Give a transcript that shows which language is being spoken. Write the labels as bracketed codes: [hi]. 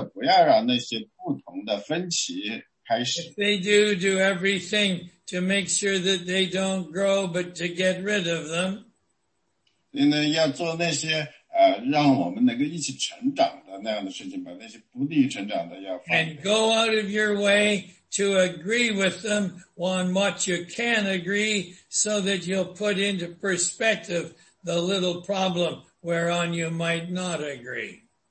[zh] 所以要尝试着不要让那些不同的分歧开始。 [en] If they do, do everything to make sure that they don't grow, but to get rid of them. [zh] 因为要做那些。让我们能够一起成长的那样的事情，把那些不利于成长的要放。 [en] And go out of your way to agree with them on what you can agree, so that you'll put into perspective the little problem whereon you might not agree.